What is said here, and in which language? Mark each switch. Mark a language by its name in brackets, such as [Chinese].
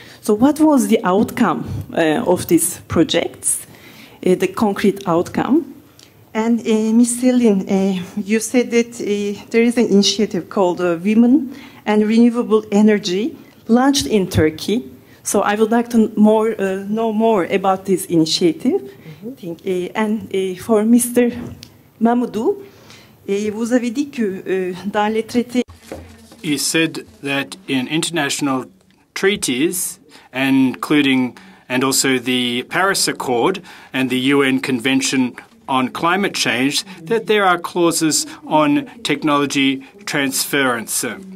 [English] So what was the outcome of these projects, the concrete outcome? And Ms. Celine, you said that there is an initiative called Women and Renewable Energy launched in Turkey. So I would like to know more about this initiative. Mm-hmm. Think, and for Mr. [French] Mamoudou, vous avez dit que dans les traités. [English] He said that in international treaties, including and also the Paris Accord and the UN Convention on Climate Change, that there are clauses on technology transference.